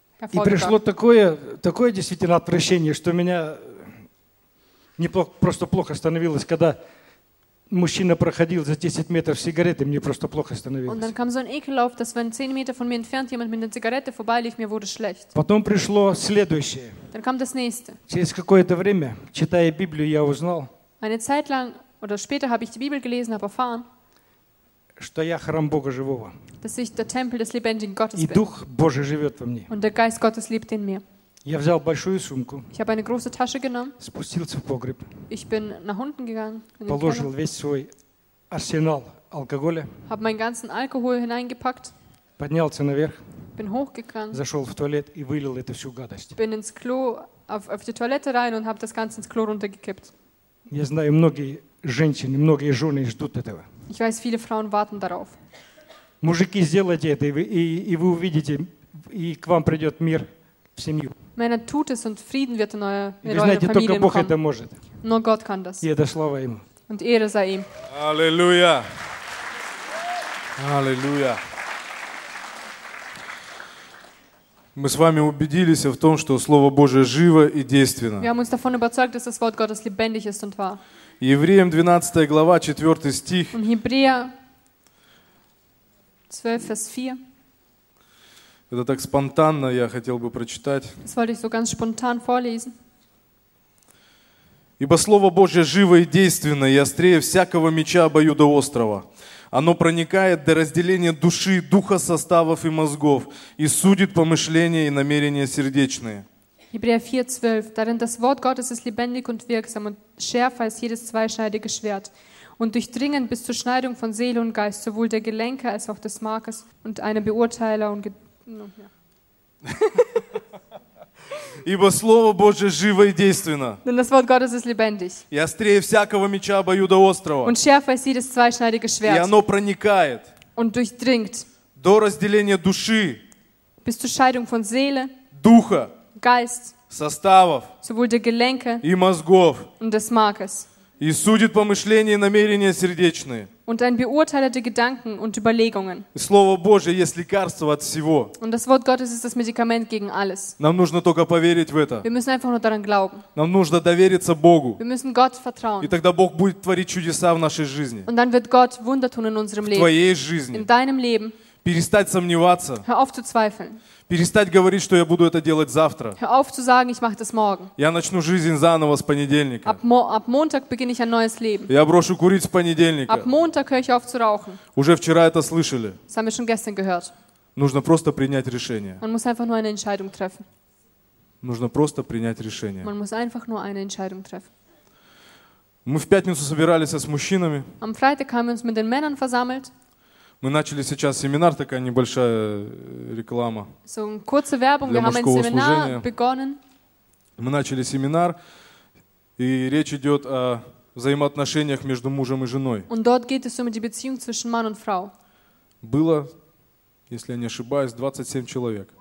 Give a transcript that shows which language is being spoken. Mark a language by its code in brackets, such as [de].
[ru] И пришло такое действительно отвращение, что меня просто плохо становилось, когда мужчина проходил за 10 метров сигареты, мне просто плохо становилось. [de] Und dann kam so ein Ekellauf, dass wenn 10 Meter von mir entfernt jemand mit einer Zigarette vorbeilief, mir wurde schlecht. [ru] Потом пришло следующее. [de] Dann kam das nächste. [ru] Через какое-то время, читая Библию, я узнал. [de] Eine Zeit lang oder später habe ich die Bibel gelesen, habe erfahren, [ru] что я храм Бога живого. [de] Dass ich der Tempel des lebendigen Gottes bin. [ru] И Дух Божий живет во мне. [de] Und der Geist Gottes lebt in mir. [ru] Я взял большую сумку. [de] Ich habe eine große Tasche genommen. [ru] Спустился в погреб. [de] Ich bin nach unten gegangen. [ru] Положил весь свой арсенал алкоголя. [de] Habe meinen ganzen Alkohol hineingepackt. [ru] Поднялся наверх. [de] Bin hochgegangen. [ru] Зашел в туалет и вылил эту всю гадость. [de] Bin ins Klo auf die Toilette rein und habe das Ganze ins Klo runtergekippt. [ru] Я знаю, многие женщины, многие жены ждут этого. [de] Ich weiß, viele Frauen warten darauf. [ru] Мужики, сделайте это, и вы увидите, и к вам придет мир в семью. [de] Männer, tut es und Frieden wird in eure Familien kommen. [ru] Знаете, только Бог [de] kommen. [ru] Это может. [de] Nur Gott kann das. [ru] И это слава ему. [de] Und Ehre sei ihm. [ru] Аллилуйя. Аллилуйя. Мы с вами убедились в том, что Слово Божие живо и действенно. [de] Wir haben uns davon überzeugt, dass das Wort Gottes lebendig ist und wahr. [ru] Евреям 12 глава, 4 стих. [de] In Hebräer 12, Vers 4. [ru] Это так спонтанно я хотел бы прочитать. [de] Das wollte ich so ganz spontan vorlesen. [ru] Ибо Слово Божие живо и действенно, и острее всякого меча обоюдоострого. Оно проникает до разделения души, духа, составов и мозгов, и судит помышления и намерения сердечные. [de] Hebräer 4, 12. Darin das Wort Gottes ist lebendig und wirksam und schärfer als jedes zweischneidige Schwert und durchdringend bis zur Schneidung von Seele und Geist, sowohl der Gelenke als auch des Markes und einer Beurteiler und... [ru] ибо Слово Божие живо и действенно. [de] Denn das Wort Gottes ist lebendig. [ru] И острее всякого меча обоюдоострого. [de] Und schärfer als jedes zweischneidige Schwert. [ru] И оно проникает. [de] Und durchdringt. [ru] До разделения души. [de] Bis zur Scheidung von Seele. [ru] Духа. [de] Geist. [ru] Составов. [de] Sowohl der Gelenke. [ru] И мозгов. [de] Und des Markes. [ru] И судит помышления и намерения сердечные. [de] Und ein Beurteiler der Gedanken und Überlegungen. [ru] Слово Божие есть лекарство от всего. [de] Und das Wort Gottes ist das Medikament gegen alles. [ru] Нам нужно только поверить в это. [de] Wir müssen einfach nur daran glauben. [ru] Нам нужно довериться Богу. [de] Wir müssen Gott vertrauen. [ru] И тогда Бог будет творить чудеса в нашей жизни. [de] Und dann wird Gott Wunder tun in unserem Leben. [ru] В твоей жизни. [de] In deinem Leben. [ru] Перестать сомневаться. [de] Hör auf zu zweifeln. [ru] Перестать говорить, что я буду это делать завтра. [de] Hör auf zu sagen, ich mache das morgen. [ru] Я начну жизнь заново с понедельника. [de] Ab Montag beginne ich ein neues Leben. [ru] Я брошу курить с понедельника. [de] Ab Montag höre ich auf zu rauchen. [ru] Уже вчера это слышали. [de] Das haben wir schon gestern gehört. [ru] Нужно просто принять решение. [de] Man muss einfach nur eine Entscheidung treffen. [ru] Нужно просто принять решение. [de] Man muss einfach nur eine Entscheidung treffen. [ru] Мы в пятницу собирались с мужчинами. [de] Am Freitag haben wir uns mit den Männern versammelt. [ru] Мы начали сейчас семинар, такая небольшая реклама. [de] So, kurze Werbung, [ru] для мужского служения. Мы начали семинар, и речь идет о взаимоотношениях между мужем и женой. [de] Und dort geht es um die Beziehung zwischen Mann und Frau. [ru] Было, если я не ошибаюсь, 27 человек.